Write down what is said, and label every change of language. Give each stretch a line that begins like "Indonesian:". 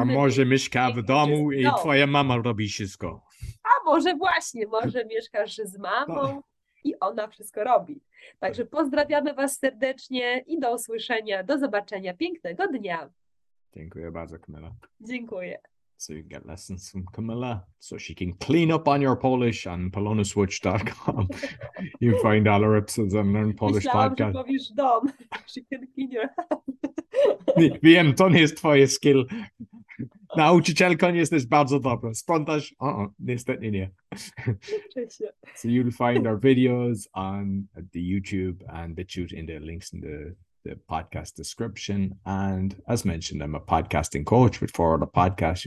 Polish: A może mieszka w domu i dom. twoja mama robi wszystko. A może właśnie, może mieszkasz z mamą i ona wszystko robi. Także pozdrawiamy was serdecznie i do usłyszenia, do zobaczenia. Pięknego dnia. Dziękuję bardzo, Kamila. Dziękuję.
English: So you can get lessons from Kamila, so she can clean up on your Polish on polonaswitch.com. You can find all her episodes on Learn Polish
Polish: Myślałam,
English: podcast.
Polish: Myślałam, że powiesz dom.
English: She can clean your house.
Polish: Wiem, to nie jest twoje skill. Nauczycielką jesteś bardzo dobra. Sprątasz? Niestety nie.
English: So you'll find our videos on the YouTube and the tutorial in the links in the podcast description. And as mentioned, I'm a podcasting coach with four other podcasts.